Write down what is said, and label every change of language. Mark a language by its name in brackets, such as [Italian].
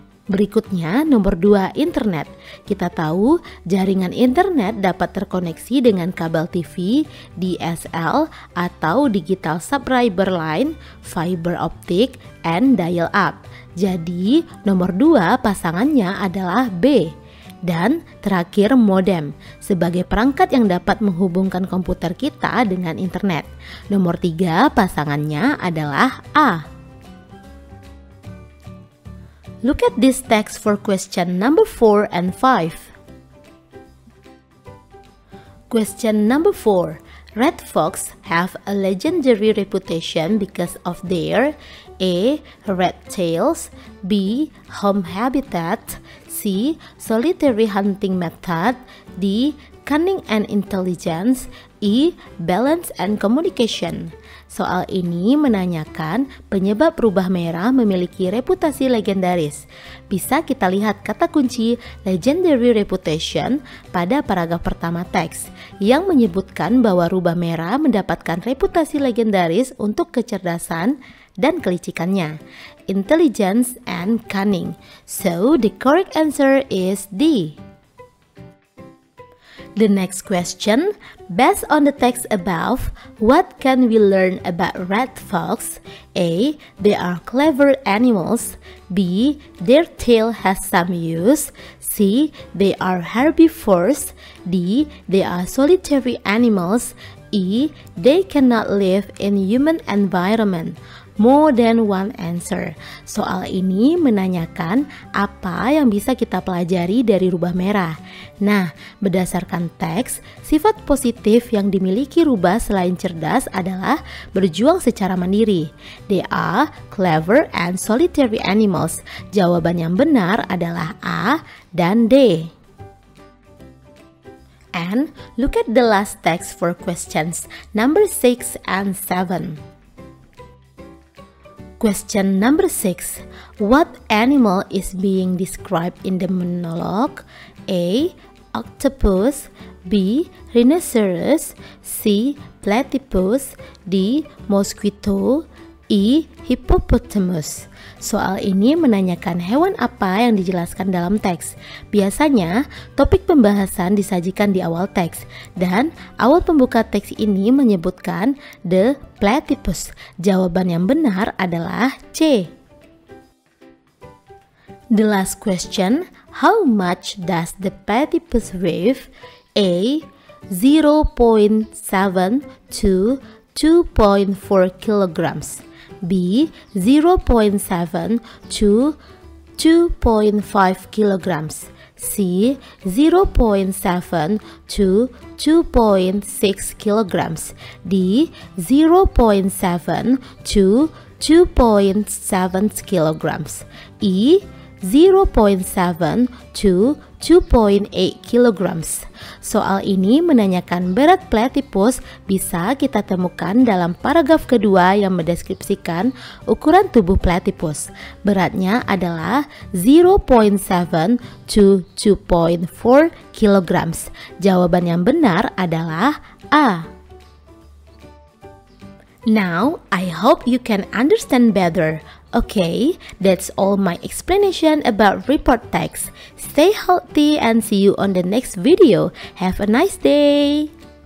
[Indonesian] Berikutnya, nomor 2, internet. Kita tahu jaringan internet dapat terkoneksi dengan kabel TV, DSL, atau digital subscriber line, [English] fiber optic, and dial-up. [Indonesian] Jadi, nomor 2 pasangannya adalah B. Dan terakhir, modem, sebagai perangkat yang dapat menghubungkan komputer kita dengan internet. Nomor 3 pasangannya adalah A. [English] Look at this text for question number 4 and 5. Question number 4. Red Fox have a legendary reputation because of their A. Red tails, B. Home habitat, C. Solitary hunting method, D. cunning and intelligence, E, balance and communication. [Indonesian] Soal ini menanyakan penyebab rubah merah memiliki reputasi legendaris. Bisa kita lihat kata kunci legendary reputation pada paragraf pertama teks yang menyebutkan bahwa rubah merah mendapatkan reputasi legendaris untuk kecerdasan dan kelicikannya, [English] intelligence and cunning. So the correct answer is D. The next question, based on the text above, what can we learn about red fox? A. They are clever animals. B. Their tail has some use. C. They are herbivores. D. They are solitary animals. E. They cannot live in human environment. More than one answer. [Indonesian] Soal ini menanyakan apa yang bisa kita pelajari dari rubah merah. Nah, berdasarkan teks, sifat positif yang dimiliki rubah selain cerdas adalah berjuang secara mandiri. [English] They are clever and solitary animals. [Indonesian] Jawaban yang benar adalah A dan D. [English] And look at the last text for questions number 6 and 7. Question number 6. What animal is being described in the monologue? A. Octopus. B. Rhinoceros. C. Platypus. D. Mosquito. E. Hippopotamus. [Indonesian] Soal ini menanyakan hewan apa yang dijelaskan dalam teks. Biasanya, topik pembahasan disajikan di awal teks. Dan awal pembuka teks ini menyebutkan [English] the platypus. [Indonesian] Jawaban yang benar adalah C. [English] The last question, how much does the platypus weigh? A. 0.7 to 2.4 kilograms. B. 0.7 to 2.5 kilograms. C. 0.7 to 2.6 kilograms. D. 0.7 to 2.7 kilograms. E. 0.7 to 2.8 kilograms. [Indonesian] Soal ini menanyakan berat platypus bisa kita temukan dalam paragraf kedua yang mendeskripsikan ukuran tubuh platypus. Beratnya adalah [English] 0.7 to 2.4 kilograms. [Indonesian] Jawaban yang benar adalah A. [English] Now, I hope you can understand better. Okay, that's all my explanation about report text. Stay healthy and see you on the next video. Have a nice day!